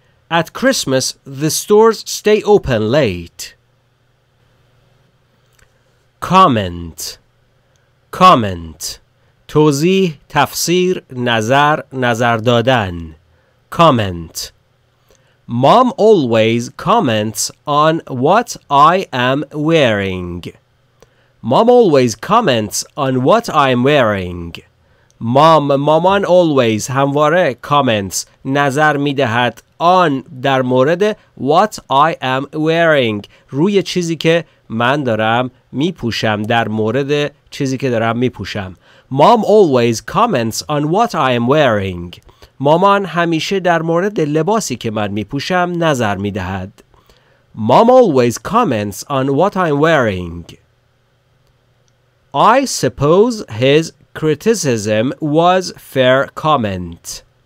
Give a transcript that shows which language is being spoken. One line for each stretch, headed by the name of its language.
English: At Christmas, the stores stay open late.
Persian: comment توضیح، تفسیر، نظر، نظر دادن.
English: comment. Mom always comments on what I am wearing. Mom always comments on what I am wearing.
Persian: Mom, مامان
English: always
Persian: همواره
English: comments
Persian: نظر میدهد
English: on
Persian: در مورد
English: what I am wearing
Persian: روی چیزی که من دارم میپوشم در مورد چیزی که دارم میپوشم.
English: Mom always comments on what I am wearing.
Persian: مامان همیشه در مورد لباسی که من میپوشم نظر میدهد.
English: Mom always comments on what I'm wearing. I suppose his criticism was fair comment.